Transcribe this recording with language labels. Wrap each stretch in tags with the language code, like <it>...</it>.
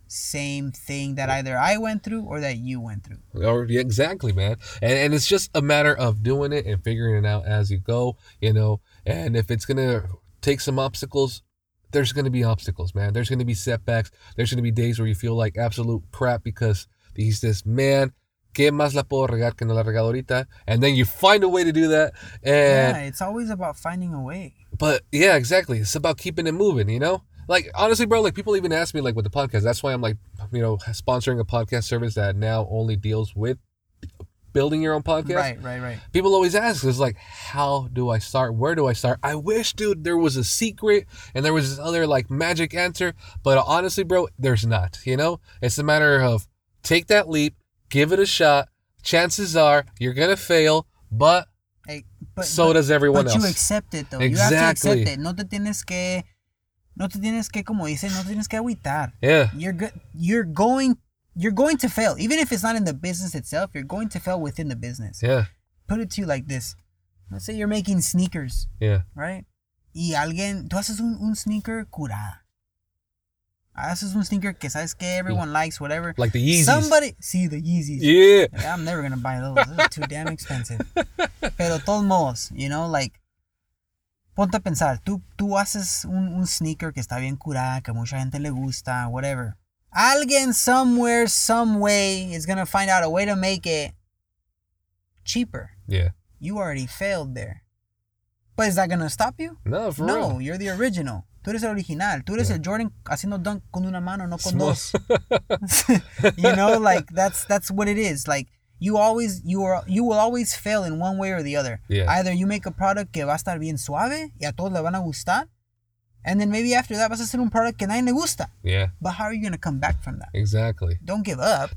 <en>same thing that either I went through or that you went through. Exactly, man. And it's just a matter of doing it and figuring it out as you go, you know. And if it's going to take some obstacles, there's going to be obstacles, man. There's going to be setbacks. There's going to be days where you feel like absolute crap because he's this man.</en> <es>¿Qué más la puedo regar que no la regado ahorita?</es> <en>And then you find a way to do that. And yeah, it's always about finding a way. But yeah, exactly. It's about keeping it moving, you know? Like, honestly, bro, like, people even ask me, like, with the podcast. That's why I'm, like, you know, sponsoring a podcast service that now only deals with building your own podcast. Right, right, right. People always ask, it's like, how do I start? Where do I start? I wish, dude, there was a secret and there was this other, like, magic answer. But honestly, bro, there's not, you know? It's a matter of take that leap. Give it a shot. Chances are you're going to fail, but, hey, but so does everyone else. But you accept it, though. Exactly. You have to accept it.</en> <es>No te tienes que, como dicen, no tienes que agüitar.</es> <en>Yeah. You're going to fail. Even if it's not in the business itself, you're going to fail within the business. Yeah. Put it to you like this. Let's say you're making sneakers. Yeah.</en> <es>Right? Y alguien, tú haces un sneaker curada.</es> <en>This is one sneaker que sabes que everyone likes, whatever. Like the Yeezys. Somebody, see the Yeezys. Yeah. I'm never going to buy those. Those are too damn expensive. Pero todos modos, you know, like, ponte a pensar.</en> <es>Tú haces un sneaker que está bien curada, que mucha gente le gusta, whatever.</es> <en>Alguien somewhere, some way is going to find out a way to make it cheaper. Yeah. You already failed there. But is that going to stop you? No, for real. No, you're the original. Tú eres el original.</en> <es>Tú eres el Jordan haciendo dunk con una mano, no con dos.</es> <en>You know, like, that's what it is. Like, you will always fail in one way or the other. Yeah.</en> <es>Either you make a product que va a estar bien suave y a todos le van a gustar, and then maybe after that vas a hacer un product que nadie le gusta.</es> <en>Yeah. But how are you going to come back from that? Exactly. Don't give up.</en>